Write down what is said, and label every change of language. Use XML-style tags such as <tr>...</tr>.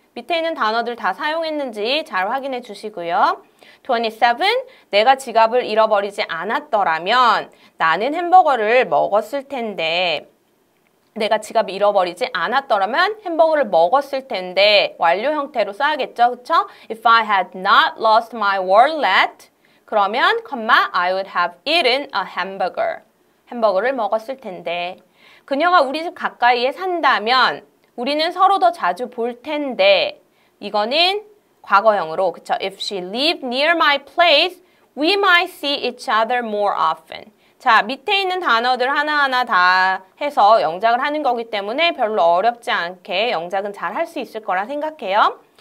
<ko>밑에 있는 단어들 다 사용했는지 잘 확인해 주시고요. 27. 내가 지갑을 잃어버리지 않았더라면 나는 햄버거를 먹었을 텐데. 내가 지갑을 잃어버리지 않았더라면 햄버거를 먹었을 텐데. 완료 형태로 써야겠죠? 그쵸?</ko> <en>If I had not lost my wallet,</en> <ko>그러면</ko> <en>comma, I would have eaten a hamburger.</en> <ko>햄버거를 먹었을 텐데. 그녀가 우리 집 가까이에 산다면 우리는 서로 더 자주 볼 텐데. 이거는 과거형으로, 그쵸?</ko> <en>If she lived near my place, we might see each other more often.</en> <ko>자, 밑에 있는 단어들 하나하나 다 해서 영작을 하는 거기 때문에 별로 어렵지 않게 영작은 잘 할 수 있을 거라 생각해요.</ko>